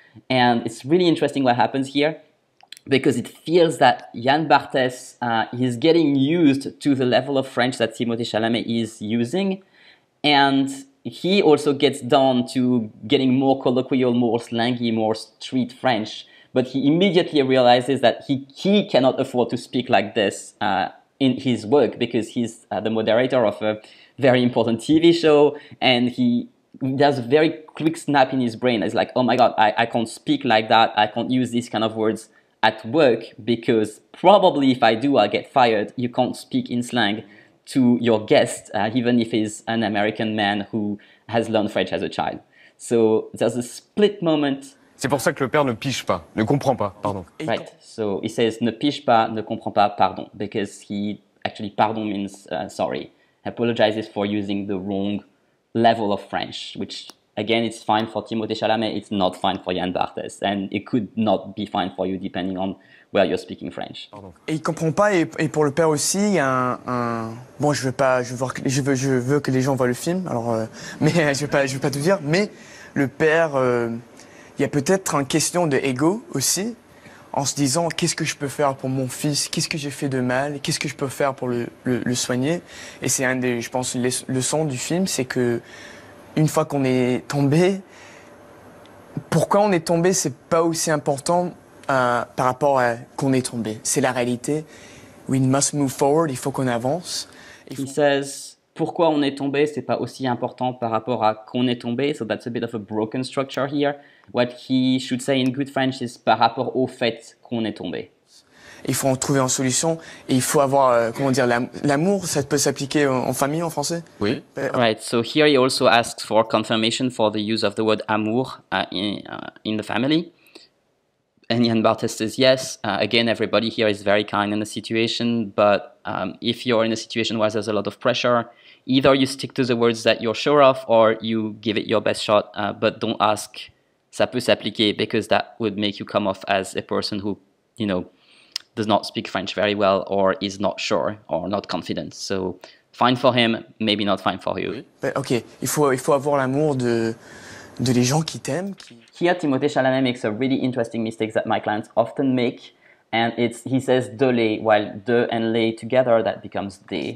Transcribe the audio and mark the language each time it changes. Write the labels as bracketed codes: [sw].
[en] And it's really interesting what happens here, because it feels that Yann Barthès is getting used to the level of French that Timothée Chalamet is using, and he also gets down to getting more colloquial, more slangy, more street French, but he immediately realizes that he cannot afford to speak like this in his work, because he's the moderator of a very important TV show, and he there's a very quick snap in his brain. It's like, oh my God, I can't speak like that. I can't use these kind of words at work, because probably if I do, I'll get fired. You can't speak in slang to your guest, even if he's an American man who has learned French as a child. So there's a split moment. [fr] C'est pour ça que le père ne piche pas, ne comprend pas, pardon. [en] Right, so he says, [fr] ne piche pas, ne comprend pas, pardon. [en] Because he actually, pardon means sorry. He apologizes for using the wrong level of French, which again, it's fine for Timothée Chalamet, it's not fine for Yann Barthès, and it could not be fine for you depending on where you're speaking French. [fr] Pardon. Et il comprend pas, et pour le père aussi, il y a un... Bon, je veux pas, je veux que les gens voient le film, alors, mais je veux pas tout dire, mais le père, il y a peut-être une question de ego aussi, en se disant qu'est-ce que je peux faire pour mon fils, qu'est-ce que j'ai fait de mal, qu'est-ce que je peux faire pour le soigner. Et c'est un des, je pense, les leçons du film, c'est que une fois qu'on est tombé, pourquoi on est tombé, c'est pas aussi important par rapport à qu'on est tombé. C'est la réalité. [en] We must move forward, [fr] il faut qu'on avance. [en] He says, [fr] pourquoi on est tombé, [en] c'est pas aussi important par rapport à qu'on est tombé. So that's a bit of a broken structure here. What he should say in good French is [fr] par rapport au fait qu'on est tombé. Il faut en trouver une solution et il faut avoir, comment dire, l'amour, ça peut s'appliquer en famille en français? Oui. [en] Right, so here he also asks for confirmation for the use of the word amour in the family. And Yann Barthès says yes. Again, everybody here is very kind in the situation, but if you're in a situation where there's a lot of pressure, either you stick to the words that you're sure of or you give it your best shot, but don't ask. [fr] Ça peut s'appliquer, [en] because that would make you come off as a person who, you know, does not speak French very well or is not sure or not confident. So, fine for him, maybe not fine for you. [fr] Ok, il faut avoir l'amour de les gens qui t'aiment. [en] Here, Timothée Chalamet makes a really interesting mistake that my clients often make. And it's, he says de les, while de and les together, that becomes des.